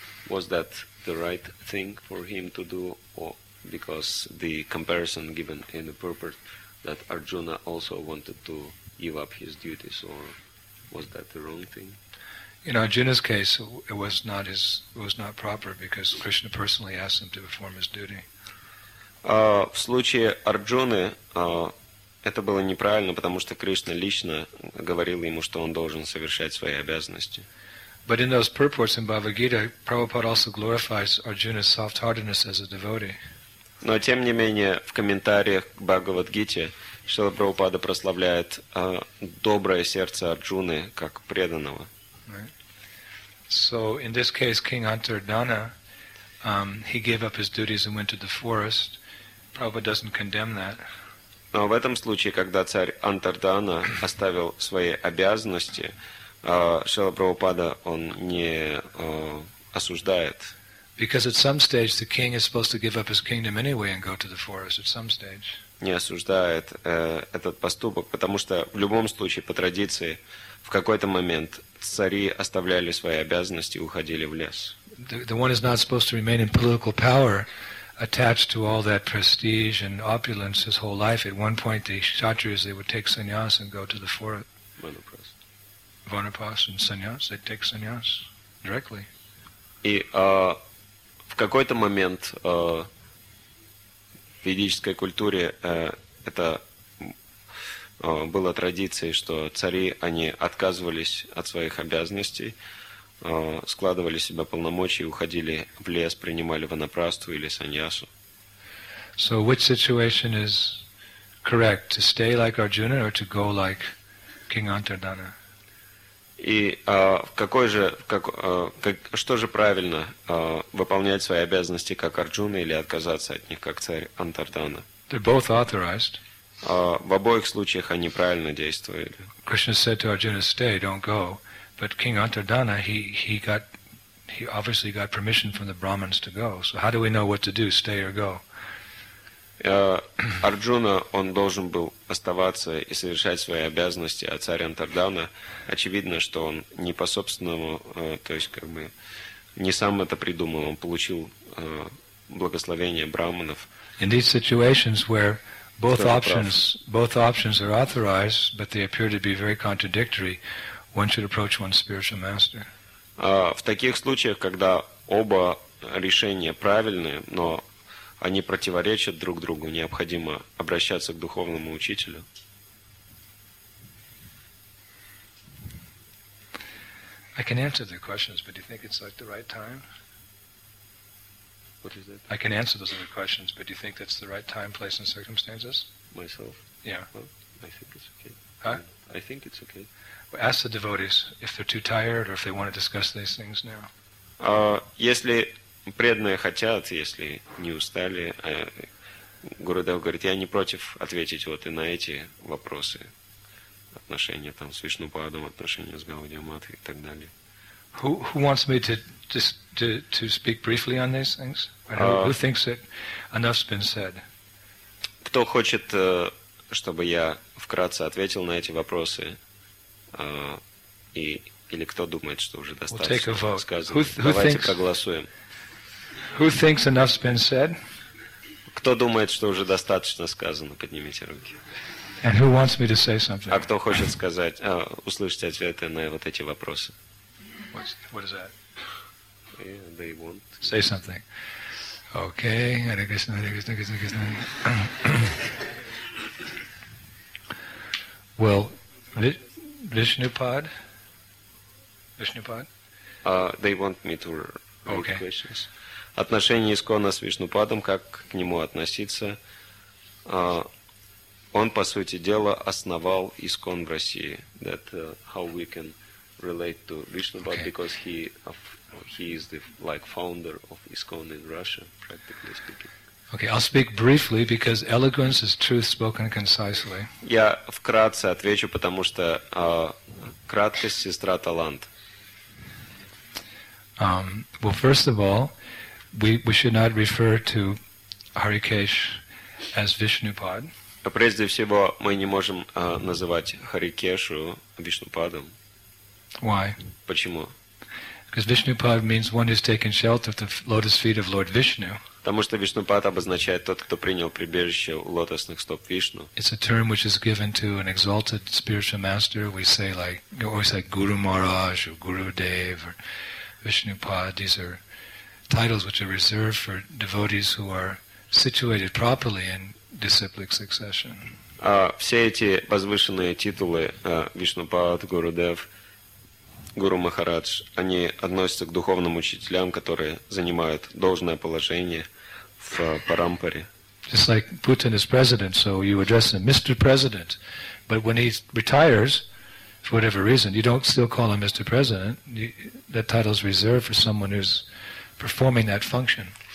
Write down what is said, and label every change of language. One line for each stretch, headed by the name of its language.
English: Was that the right thing for him to do, or because the comparison given in the purport that Arjuna also wanted to give up his duties, or was that the wrong thing? In Arjuna's case, it was not his, it was not proper because Krishna personally asked him to perform his duty.
Russian: В случае Арджуны это было неправильно, потому что Кришна лично говорил ему, что он должен совершать свои обязанности.
English: But in those purports in Bhagavad Gita, Prabhupada also glorifies Arjuna's soft-heartedness as a devotee.
Russian: Но тем не менее в комментариях к Бхагавад Гите Шрила Прабхупада прославляет доброе сердце Арджуны как преданного.
English: Right. So in this case, King Antardhana, he gave up his duties and went to the forest. Prabhupada doesn't condemn that.
Russian: Но в этом случае, когда царь Антардхана оставил свои обязанности, Шрила Прабхупада он не осуждает.
English: Because at some stage the king is supposed to give up his kingdom anyway and go to the forest at some stage.
Russian: Не осуждает этот поступок, потому что в любом случае по традиции в какой-то момент цари оставляли свои обязанности и уходили в лес.
English: The one is not supposed to remain in political power. Attached to all that prestige and opulence his whole life, at one point the kshatriyas, they would take sannyas and go to the forest. Vanaprastha. Vanaprastha and sannyas, they'd take sannyas directly.
Russian: И в какой-то момент в ведической культуре это было традицией, что цари, они отказывались от своих обязанностей, складывали себя полномочия, уходили в лес, принимали ванапрасту или саньясу.
English: So which situation is correct, to stay like Arjuna or to go like King Antardhana?
Russian: И что же правильно, выполнять свои обязанности как Арджуна или отказаться от них как царь Антардхана?
English: They're both authorized.
Russian: В обоих случаях они правильно действовали.
English: Krishna said to Arjuna, stay, don't go. But King Antardhana, he obviously got permission from the Brahmins to go. So how do we know what to do, stay or go?
Russian: Арджуна, он должен был оставаться и совершать свои обязанности, а царь Антардхана, очевидно, что он не по собственному, то есть как бы не сам это придумал, он получил благословение Брахманов.
English: In these situations where both options are authorized, but they appear to be very contradictory, one should approach one's spiritual master.
Russian: В таких случаях, когда оба решения правильные, но они противоречат друг другу, необходимо обращаться к духовному учителю.
English: I can answer the questions, but do you think it's like the right time? What is it? I can answer those other questions, but do you think that's the right time, place, and circumstances? Myself? Yeah. Well, I think it's okay. Huh? I think it's okay. Ask the devotees if they're too tired or if they want to discuss these things now.
Russian: Если преданные хотят, если не устали, Гурудев говорит, я не против ответить вот и на эти вопросы, отношения там с Вишнупадом, отношения с Гаудия Матхи и так далее.
English: Who wants me to speak briefly on these things? Who thinks that enough's been said?
Russian: Кто хочет, чтобы я вкратце ответил на эти вопросы? Или кто думает, что уже достаточно
English: we'll
Russian: сказано? Давайте проголосуем.
English: Who thinks enough's been said?
Russian: Кто думает, что уже достаточно сказано? Поднимите руки.
English: And who wants me to say something?
Russian: А кто хочет сказать, услышать ответы на вот эти вопросы?
English: What is that? Yeah, they want to say something. Okay. Hare Krishna, Hare Krishna, Krishna Krishna. Well, Vishnupad? Vishnupad? They want me to read okay. questions.
Russian: Отношение Искона с Вишнупадом, как к нему относиться? Он, по сути дела, основал Искон в России.
English: That how we can relate to Vishnupad, okay. because he is the like founder of Iskon in Russia, practically speaking. Okay, I'll speak briefly because eloquence is truth spoken concisely.
Russian: Я вкратце отвечу, потому что краткость сестра талант.
English: Well, first of all, we should not refer to Harikesh as Vishnupad.
Russian: Прежде всего, мы не можем называть Харикешу Вишнупадом.
English: Why?
Russian: Почему?
English: Because Vishnupad means one who's taken shelter at the lotus feet of Lord Vishnu.
Russian: Потому что Вишнупад обозначает тот, кто принял прибежище у лотосных стоп Вишну.
English: It's a term which is given to an exalted spiritual master. We say like, we always say Guru Maharaj or Guru Dev or Vishnupad. These are titles which are reserved for devotees who are situated properly in disciplic succession.
Russian: Все эти возвышенные титулы Вишнупад, Гуру Дев, Гуру Махарадж, они относятся к духовным учителям, которые занимают должное положение в парампаре.
English: Just like Putin is president, so you address him Mr. President. But when he retires, for whatever reason, you don't still call him Mr. President. That title is reserved for someone who's performing that function.